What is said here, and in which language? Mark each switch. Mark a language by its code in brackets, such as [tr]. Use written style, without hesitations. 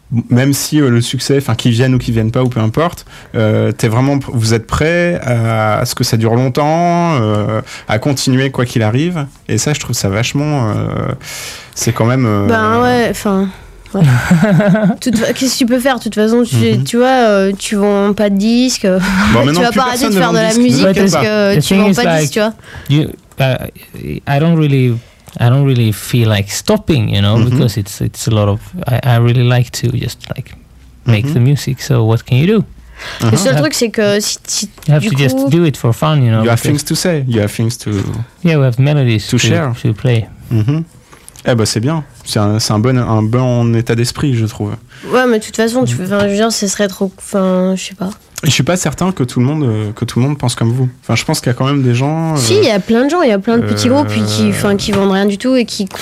[fr] Même si le succès, enfin qu'ils viennent ou qu'ils viennent pas, ou peu importe, vous êtes prêt à ce que ça dure longtemps, à continuer quoi qu'il arrive. Et ça, je trouve ça vachement. C'est quand même. Ben ouais, enfin. Ouais. Qu'est-ce que tu peux faire? De toute façon, tu vois, tu vends pas de disques. Bon, tu vas pas arrêter de faire de la musique parce que tu vends pas de disques, tu vois. [en] I don't really feel like stopping, you know, because it's a lot of. I really like to just like make the music. So what can you do? [fr] Le seul truc c'est que si [en] you have to just do it for fun, you know. You have things to say. You have things to. Yeah, we have melodies to share to play. [fr] Eh ben c'est bien, c'est un bon état d'esprit, je trouve. Ouais, mais de toute façon, ce serait trop, enfin, je sais pas. Je suis pas certain que tout le monde pense comme vous. Enfin, je pense qu'il y a quand même des gens. Si, il y a plein de gens, il y a plein de petits groupes qui vendent rien du tout et qui